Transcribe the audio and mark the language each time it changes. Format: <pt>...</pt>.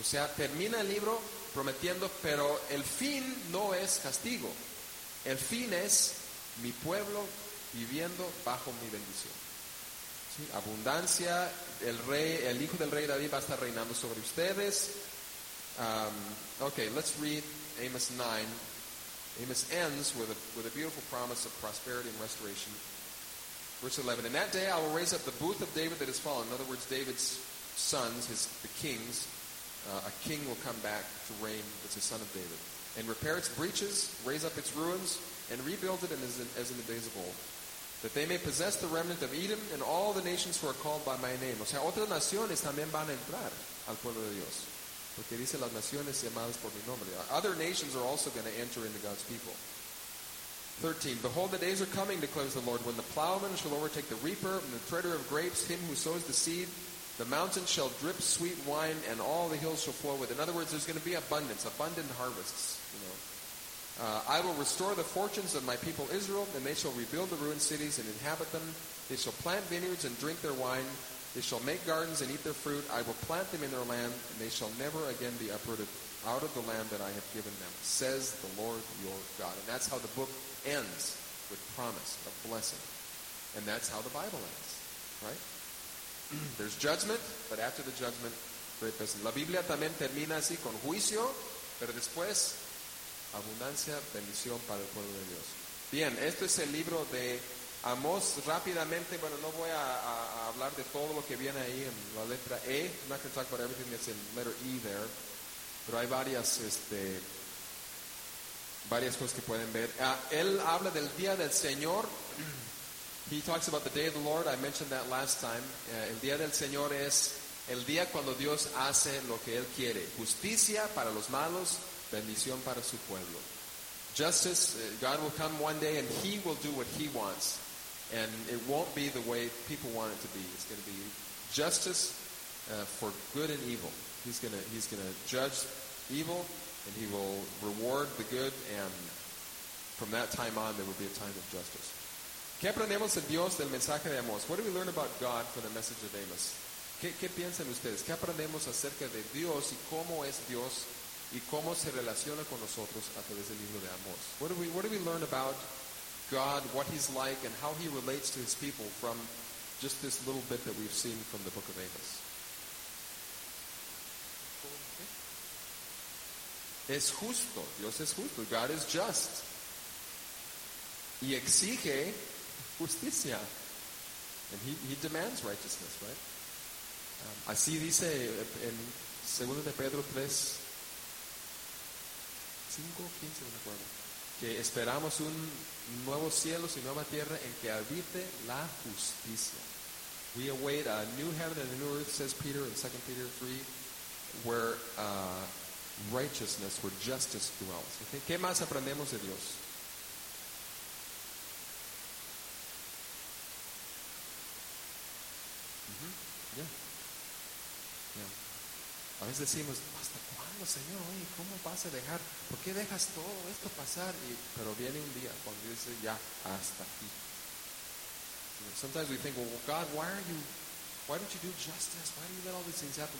<es>O sea, termina el libro prometiendo, pero el fin no es castigo. El fin es mi pueblo viviendo bajo mi bendición. ¿Sí? Abundancia, el hijo del rey David va a estar reinando sobre ustedes.</es> <en>Okay, let's read Amos 9. Amos ends with a beautiful promise of prosperity and restoration. Verse 11, in that day I will raise up the booth of David that has fallen. In other words, David's sons, the kings, a king will come back to reign that's a son of David. And repair its breaches, raise up its ruins, and rebuild it as in the days of old. that they may possess the remnant of Edom and all the nations who are called by my name.</en> <es>O sea, otras naciones también van a entrar al pueblo de Dios. Porque dice las naciones llamadas por mi nombre.</es> <en>Other nations are also going to enter into God's people. 13. Behold, the days are coming, declares the Lord, when the plowman shall overtake the reaper, and the treader of grapes, him who sows the seed. The mountains shall drip sweet wine, and all the hills shall flow with. In other words, there's going to be abundance, abundant harvests. You know, I will restore the fortunes of my people Israel, and they shall rebuild the ruined cities and inhabit them. They shall plant vineyards and drink their wine. They shall make gardens and eat their fruit. I will plant them in their land, and they shall never again be uprooted out of the land that I have given them, says the Lord your God. And that's how the book ends, with promise of blessing. And that's how the Bible ends, right? There's judgment, but after the judgment, great blessing.</en> <es>La Biblia también termina así, con juicio, pero después, abundancia, bendición para el pueblo de Dios. Bien, este es el libro de Amós. Rápidamente, bueno, no voy a hablar de todo lo que viene ahí en la letra E.</es> <en>I'm not going to talk about everything that's in letter E there.</en> <es>Pero hay varias, varias cosas que pueden ver. Él habla del día del Señor.</es> <en>He talks about the day of the Lord. I mentioned that last time.</en> <es>El día del Señor es el día cuando Dios hace lo que Él quiere. Justicia para los malos, bendición para su pueblo.</es> <en>Justice, God will come one day and He will do what He wants. And it won't be the way people want it to be. It's going to be justice for good and evil. He's gonna judge evil, and he will reward the good, and from that time on, there will be a time of justice.</en> <es>¿Qué aprendemos de Dios del mensaje de Amós?</es> <en>What do we learn about God from the message of Amos?</en> <es>¿Qué piensan ustedes? ¿Qué aprendemos acerca de Dios y cómo es Dios y cómo se relaciona con nosotros a través del libro de Amós?</es> <en>What do we learn about God, what he's like, and how he relates to his people from just this little bit that we've seen from the book of Amos?</en> <es>Es justo. Dios es justo.</es> <en>God is just.</en> <es>Y exige justicia.</es> <en>And he demands righteousness, right?</en> <es>Así dice en 2 de Pedro 3:5-15, me acuerdo. Que esperamos un nuevo cielo y nueva tierra en que habite la justicia.</es> <en>We await a new heaven and a new earth, says Peter in 2 Peter 3, where righteousness, where justice dwells.</en> <es>Okay. ¿Qué más aprendemos de Dios? Mm-hmm. Yeah. Yeah. A veces decimos, ¿hasta cuándo, Señor? Oye, ¿cómo vas a dejar? ¿Por qué dejas todo esto pasar? Pero viene un día cuando dice, ya, hasta aquí.</es> <en>You know, sometimes we think, well, God, why don't you do justice? Why do you let all these things happen?</en>